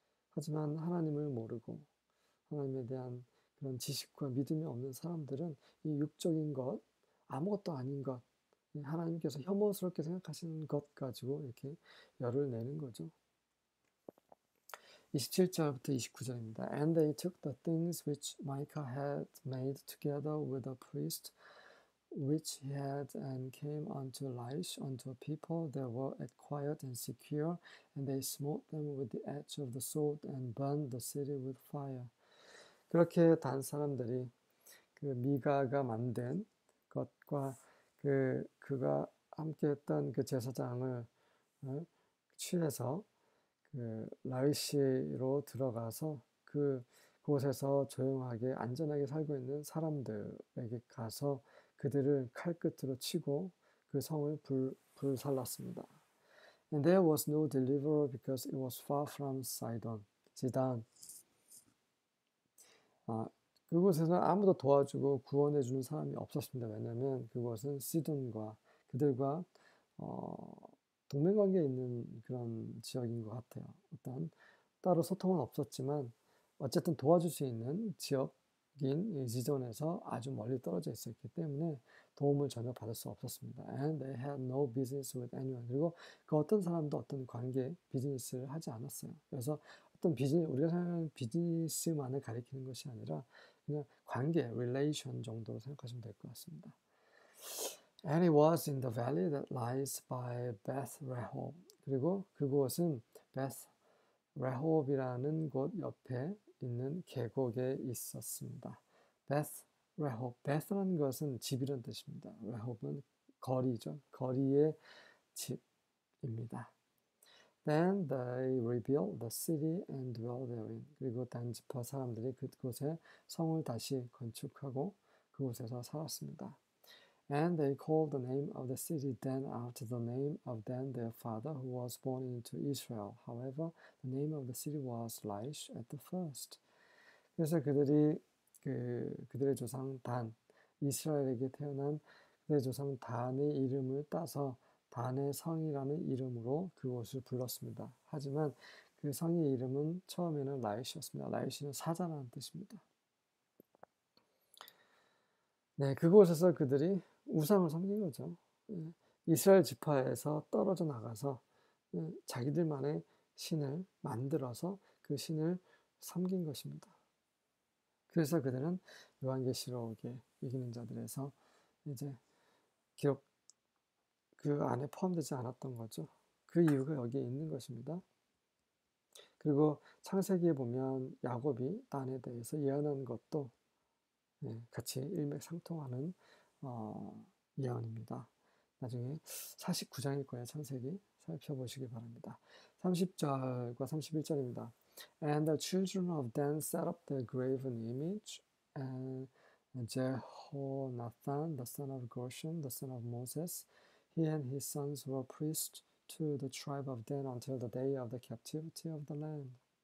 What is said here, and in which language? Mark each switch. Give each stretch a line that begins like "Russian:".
Korean: 하지만 하나님을 모르고 하나님에 대한 그런 지식과 믿음이 없는 사람들은 이 육적인 것, 아무것도 아닌 것, 하나님께서 혐오스럽게 생각하시는 것 가지고 이렇게 열을 내는 거죠. 27절부터 29절입니다.
English: And they took the things which Micah had made together with the priest which he had and came unto Laish, unto a people that were at quiet and secure, and they smote them with the edge of the sword and burned the city with fire.
Korean: 그렇게 단 사람들이 그 미가가 만든 것과 그가 함께 했던 그 제사장을 취해서 그 라이시로 들어가서 그 그곳에서 조용하게 안전하게 살고 있는 사람들에게 가서 그들을 칼끝으로 치고 그 성을 불살랐습니다.
English: And there was no deliverer because it was far from Sidon.
Korean: 지단. 그곳에서는 아무도 도와주고 구원해 주는 사람이 없었습니다. 왜냐하면 그곳은 시돈과 그들과 동맹관계에 있는 그런 지역인 것 같아요. 어떤 따로 소통은 없었지만 어쨌든 도와줄 수 있는 지역인 시돈에서 아주 멀리 떨어져 있었기 때문에 도움을 전혀 받을 수 없었습니다.
English: And they had no business with anyone.
Korean: 그리고 그 어떤 사람도 어떤 관계, 비즈니스를 하지 않았어요. 그래서 어떤 비즈니스, 우리가 생각하는 비즈니스만을 가리키는 것이 아니라 그냥 관계, relation 정도로 생각하시면 될것 같습니다.
English: And it was in the valley that lies by Beth Rehob.
Korean: 그리고 그곳은 Beth Rehob이라는 곳 옆에 있는 계곡에 있었습니다. Beth Rehob. Beth라는 것은 집이란 뜻입니다. Rehob은 거리죠. 거리의 집입니다.
English: Then they rebuilt the city and dwelt therein.
Korean: 그리고 단지파 사람들이 그곳에 성을 다시 건축하고 그곳에서 살았습니다.
English: And they called the name of the city Dan after the name of Dan, their father, who was born into Israel. However, the name of the city was Laish at the first.
Korean: 그래서 그들의 조상 단, 이스라엘에게 태어난 그들의 조상 단의 이름을 따서 단의 성이라는 이름으로 그곳을 불렀습니다. 하지만 그 성의 이름은 처음에는 라이시였습니다. 라이시는 사자라는 뜻입니다. 네, 그곳에서 그들이 우상을 섬긴 거죠. 이스라엘 지파에서 떨어져 나가서 자기들만의 신을 만들어서 그 신을 섬긴 것입니다. 그래서 그들은 요한계시록의 이기는 자들에서 이제 기록 그 안에 포함되지 않았던 거죠. 그 이유가 여기에 있는 것입니다. 그리고 창세기에 보면 야곱이 단에 대해서 예언한 것도 같이 일맥상통하는 예언입니다. 나중에 49장일 거예요. 창세기 살펴보시기 바랍니다. 30절과 31절입니다.
English: And the children of Dan set up their graven image and Jehonathan, the son of Gershon, the son of Moses, He and his sons were priests to the tribe of Dan until the day of the captivity of the land.